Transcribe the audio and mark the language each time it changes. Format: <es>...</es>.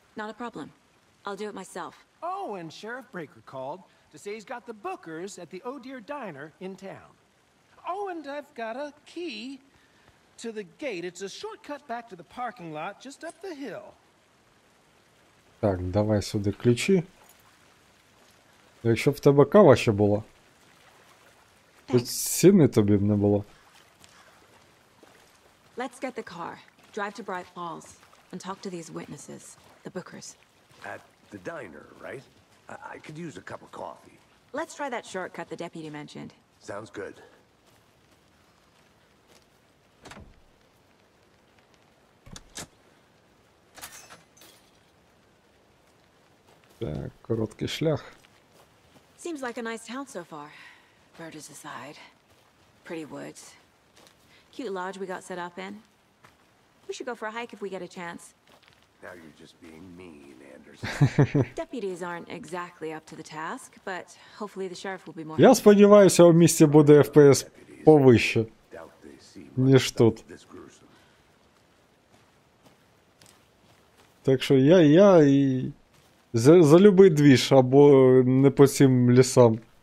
<en>Not a problem. I'll do it myself. Oh, and Sheriff Breaker called to say he's got the bookers at the O'Deer Diner in town. Oh, and I've got a key to the gate. It's a shortcut back to the parking lot just up the hill.</en> <uk>Так, давай сюди ключі. Якщо в тебе кава ще була, то ціни тобі б не було.</uk> <en>Let's get the car. Drive to Bright Falls and talk to these witnesses, the bookers. At the diner, right? I could use a cup of coffee. Let's try that shortcut the deputy mentioned. Sounds good.</en> <uk>Так, короткий шлях.</uk> <en>Seems like a nice town so far. Birders aside. Pretty woods. Cute lodge we got set up in. We should go for a hike if we get a chance. Now you're just being mean, Anderson. Deputies aren't exactly up to the task, but hopefully the sheriff will be more.</en> <uk>Я сподіваюся, у місті буде FPS повище, ніж тут. Так що я і за любий двіж або не по цим лісам.</uk>